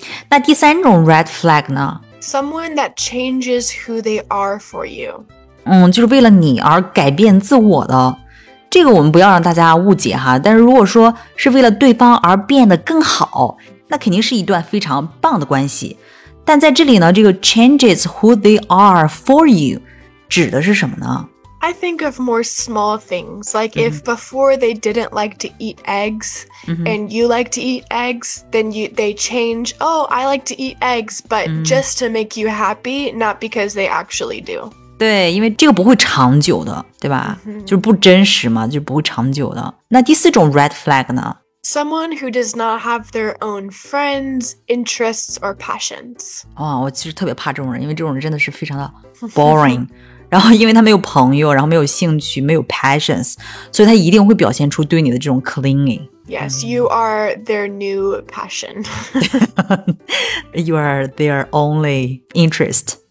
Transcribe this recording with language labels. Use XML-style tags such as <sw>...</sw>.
<zh>那第三种 red flag 呢？</zh> <en>Someone that changes who they are for you.</en> <zh>就是为了你而改变自我的。这个我们不要让大家误解哈，但是如果说是为了对方而变得更好，那肯定是一段非常棒的关系。但在这里呢，这个</zh> <en>changes who they are for you</en> <zh>指的是什么呢？</zh> <en>I think of more small things, like if before they didn't like to eat eggs, and you like to eat eggs, then they change, oh, I like to eat eggs, but just to make you happy, not because they actually do.</en> <zh>对，因为这个不会长久的，对吧？就是不真实嘛，就是不会长久的。那第四种 red flag 呢？</zh> <en>Someone who does not have their own friends, interests, or passions.</en> <zh>我其实特别怕这种人，因为这种人真的是非常的 boring. 然后因为他没有朋友，然后没有兴趣，没有 passions, 所以他一定会表现出对你的这种 clinging.</zh> <en>Yes, you are their new passion. You are their only interest.</en>